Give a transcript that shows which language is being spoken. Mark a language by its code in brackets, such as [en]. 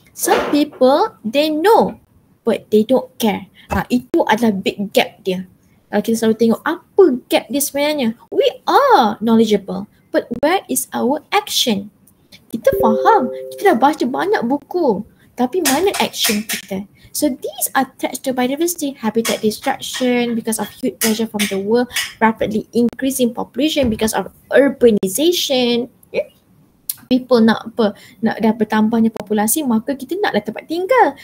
[en] Some people, they know but they don't care. [ms] Itu adalah big gap dia. Kita selalu tengok apa gap dia sebenarnya. [en] We are knowledgeable but where is our action? [ms] Kita faham, kita dah baca banyak buku, tapi mana action kita? [en] So these are threats to biodiversity, habitat destruction because of huge pressure from the world, rapidly increasing population because of urbanization. [ms] People nak apa? Nak dah bertambahnya populasi, maka kita naklah tempat tinggal.